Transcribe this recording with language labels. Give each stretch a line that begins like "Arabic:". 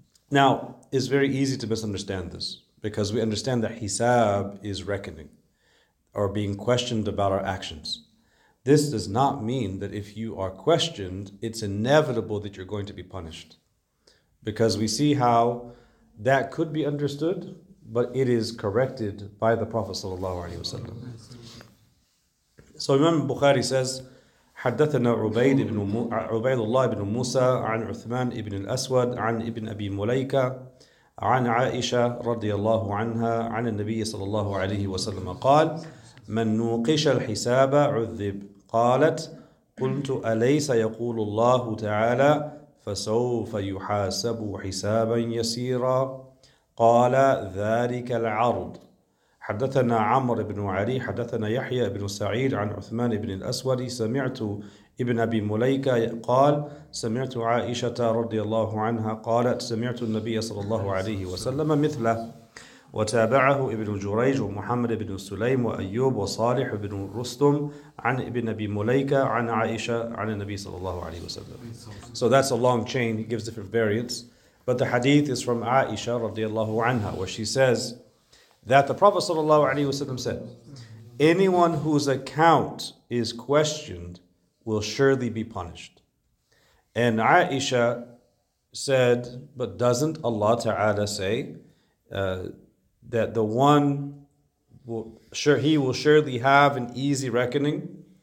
English: Now, it's very easy to misunderstand this because we understand that hisab is reckoning or being questioned about our actions. This does not mean that if you are questioned, it's inevitable that you're going to be punished, because we see how that could be understood, but it is corrected by the Prophet sallallahu alaihi wasallam. So Imam Bukhari says,
Arabic: حدثنا عبيد بن عبيد الله بن موسى عن عثمان بن الأسود عن ابن أبي مليكة عن عائشة رضي الله عنها عن النبي صلى الله عليه وسلم قال من نوقش الحساب عذب قالت قلت أليس يقول الله تعالى فسوف يحاسب حسابا يسيرا قال ذلك العرض حدثنا عمر بن علي حدثنا يحيى بن سعيد عن عثمان بن الأسود سمعت ابن أبي مليكة قال سمعت عائشة رضي الله عنها قالت سمعت النبي صلى الله عليه وسلم مثله وتابعه ابن جريج ومحمد بن سليم وأيوب وصالح بن رستم عن ابن أبي مليكة عن عائشة عن النبي صلى الله عليه وسلم.
English: So that's a long chain. He gives different variants, but the hadith is from
Arabic: عائشة رضي الله عنها,
English: where she says that the Prophet sallallahu alaihi wasallam said, anyone whose account is questioned will surely be punished. And Aisha said, but doesn't Allah Ta'ala say that the one will surely have an easy reckoning?